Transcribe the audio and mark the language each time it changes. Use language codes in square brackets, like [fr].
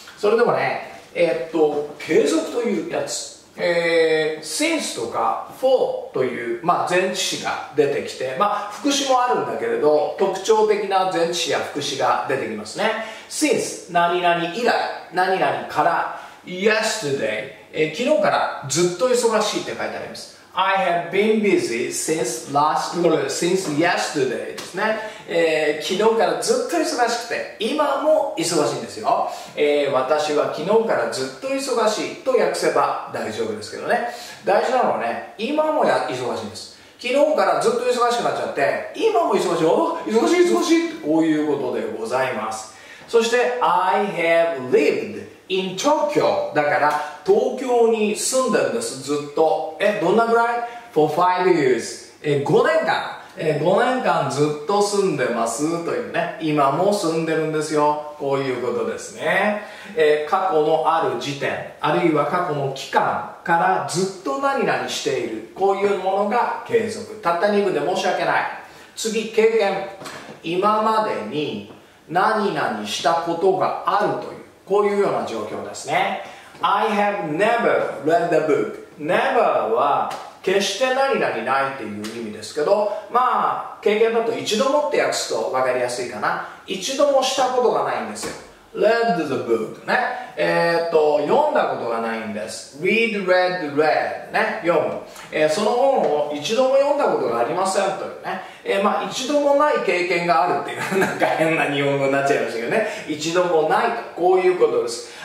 [ja] それではね、継続というやつ、since とか for という、まあ、前置詞が出てきて、まあ、副詞もあるんだけれど、特徴的な前置詞や副詞が出てきますね。 since 何々以来、何々から yesterday、昨日からずっと忙しいって書いてあります。 [en] I have been busy since yesterday ですね。 [ja] 昨日からずっと忙しくて、今も忙しいんですよ。私は昨日からずっと忙しいと訳せば大丈夫ですけどね。大事なのはね、今も忙しいんです。昨日からずっと忙しくなっちゃって、今も忙しい、忙しい忙しいってこういうことでございます。そして [en] I have lived in Tokyo、 [ja] だから東京に住んでるんです、ずっと。どんなぐらい [en] for 5 years、 [ja] 5年間ずっと住んでますというね、今も住んでるんですよ、こういうことですね。過去のある時点、あるいは過去の期間からずっと何々している、こういうものが継続。たった2部で申し訳ない。次、経験、今までに何々したことがあるという、こういうような状況ですね。 [en] I have never read the book。 [ja] Never は決して何々ないっていう意味ですけど、まあ経験だと一度もって訳すと分かりやすいかな。一度もしたことがないんですよ。 [en] Read the book [ja] ね、読んだことがないんです。 [en] Read, read, read [ja] ね、読む、その本を一度も読んだことがありませんというね、まあ一度もない経験があるっていう、なんか変な日本語になっちゃいましたけどね、一度もないと、こういうことです。